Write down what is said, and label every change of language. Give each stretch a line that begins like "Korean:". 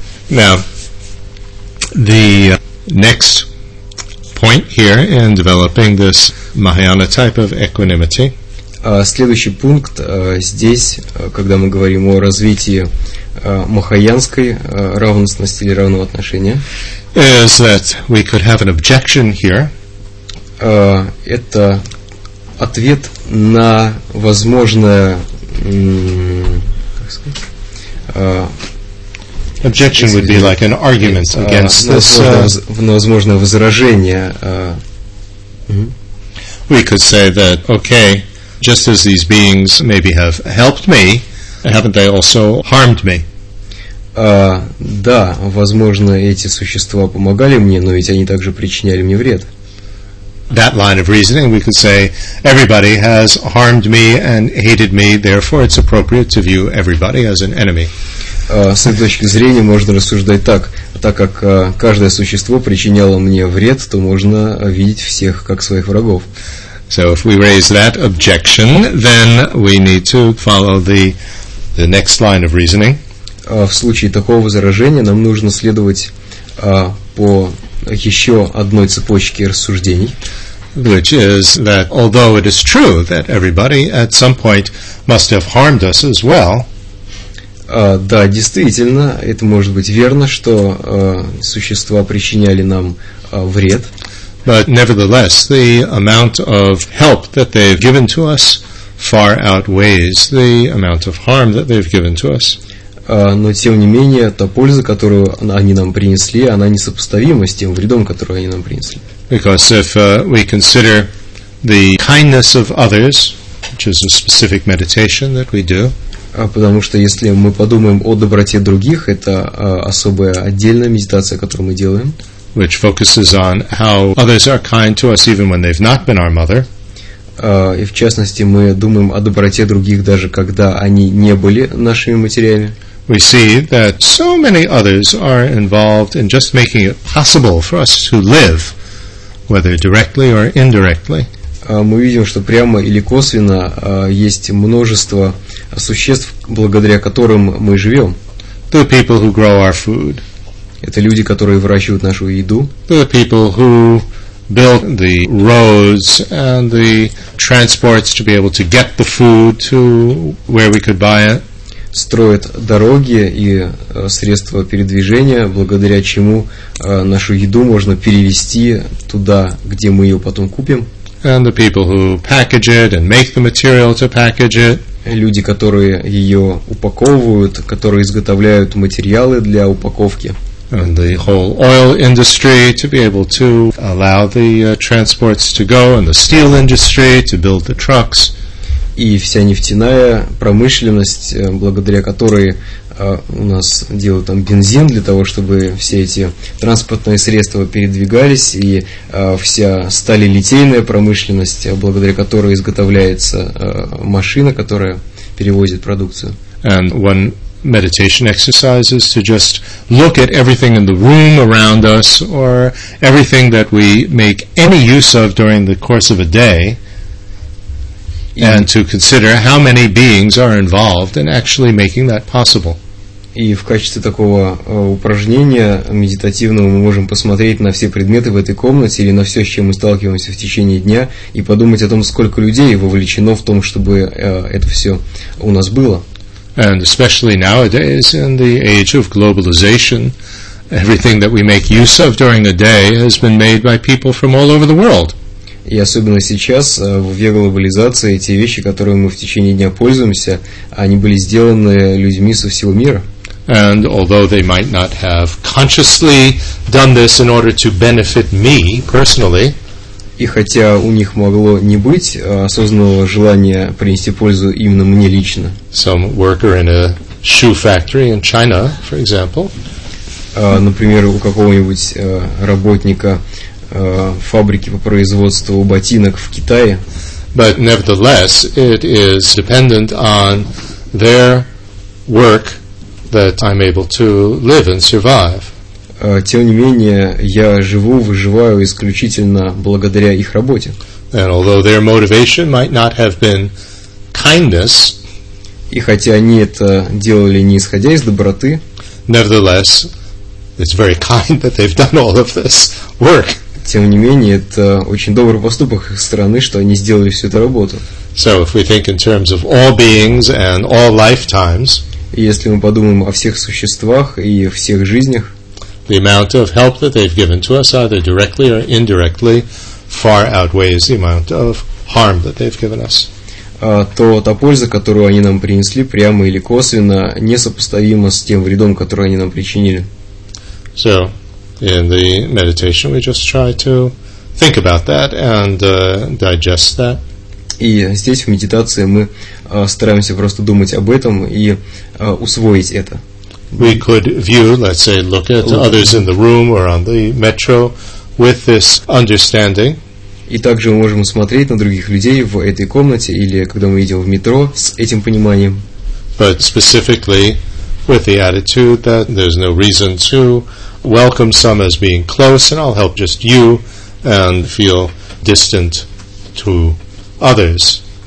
English: Now, the next point here in developing this Mahayana type of equanimity.
Russian: Следующий пункт здесь, когда мы говорим о развитии махаянской равностности или равного отношения,
English: is that we could have an objection here.
Russian: Это ответ на возможное, как сказать,
English: objection would be like an argument against this.
Russian: Возможное возражение.
English: We could say that, okay, just as these beings maybe have helped me, haven't they also harmed me?
Russian: Да, возможно, эти существа помогали мне, но ведь они также причиняли мне вред.
English: That line of reasoning, we could say, everybody has harmed me and hated me, therefore it's appropriate to view everybody as an enemy.
Russian: С этой точки зрения можно рассуждать так. Так как каждое существо причиняло мне вред, то можно видеть всех как своих врагов.
English: So if we raise that objection, then we need to follow the next line of reasoning.
Russian: В случае такого возражения нам нужно следовать по еще одной цепочке рассуждений.
English: Which is that although it is true that everybody at some point must have harmed us as well.
Russian: Да, действительно, это может быть верно, что существа причиняли нам вред.
English: But nevertheless, the amount of help that they've given to us far outweighs the amount of harm that they've given to us.
Russian: Но тем не менее, та польза, которую они нам принесли, она несопоставима с тем вредом, который они нам принесли.
English: Because if we consider the kindness of others, which is a specific meditation that we do,
Russian: потому что если мы подумаем о доброте других, это особая отдельная медитация, которую мы делаем,
English: which focuses on how others are kind to us even when they've not been our mother.
Russian: И в частности, мы думаем о доброте других даже когда они не были нашими матерями.
English: We see that so many others are involved in just making it possible for us to live, whether directly or indirectly.
Russian: Мы видим, что прямо или косвенно есть множество существ, благодаря которым мы живем.
English: The people who grow our food.
Russian: Это люди, которые выращивают нашу еду.
English: The people who build the roads and the transports to be able to get the food to where we could buy it.
Russian: Строят дороги и средства передвижения, благодаря чему нашу еду можно перевезти туда, где мы ее потом купим.
English: And the people who package it and make the material to package it.
Russian: Люди, которые ее упаковывают, которые изготавливают материалы для упаковки.
English: And the whole oil industry to be able to allow the transports to go, and the steel industry to build the trucks.
Russian: И вся нефтяная промышленность, благодаря которой у нас делают там бензин для того, чтобы все эти транспортные средства передвигались, и вся сталелитейная промышленность, благодаря которой изготовляется машина, которая перевозит продукцию.
English: And one meditation exercise is to just look at everything in the room around us or everything that we make any use of during the course of a day. And to consider how many beings are involved in actually making that possible.
Russian: И в качестве такого упражнения медитативного мы можем посмотреть на все предметы в этой комнате или на все, с чем мы сталкиваемся в течение дня, и подумать о том, сколько людей вовлечено в том, чтобы это все у нас было.
English: And especially nowadays, in the age of globalization, everything that we make use of during a day has been made by people from all over the world.
Russian: И особенно сейчас, в век глобализации, те вещи, которыми мы в течение дня пользуемся, они были сделаны людьми со всего мира.
English: And although they might not have consciously done this in order to benefit me personally,
Russian: и хотя у них могло не быть осознанного желания принести пользу именно мне лично,
English: some worker in a shoe factory in China, for example,
Russian: например, у какого-нибудь работника фабрики по производству ботинок в Китае.
English: But nevertheless, it is dependent on their work that I'm able to live and survive.
Russian: Тем не менее, я живу, выживаю исключительно благодаря их работе.
English: And although their motivation might not have been kindness,
Russian: и хотя они это делали не исходя из доброты,
English: nevertheless, it's very kind that they've done all of this work.
Russian: Тем не менее, это очень добрый поступок их стороны, что они сделали всю эту работу.
English: So if we think in terms of all beings and all lifetimes,
Russian: если мы подумаем о всех существах и всех жизнях,
English: the amount of help that they've given to us, either directly or indirectly, far outweighs the amount of harm that they've given us.
Russian: То та польза, которую они нам принесли, прямо или косвенно, несопоставима с тем вредом, который они нам причинили.
English: So, in the meditation, we just try to think about that and digest that.
Russian: И здесь, в медитации, мы стараемся просто думать об этом и усвоить это.
English: We could view, let's say, look at others in the room or on the metro with this understanding.
Russian: И также мы можем смотреть на других людей в этой комнате или когда мы идем в метро с этим пониманием.
English: But specifically with the attitude that there's no reason to welcome some as being close and I'll help just you and feel distant to others.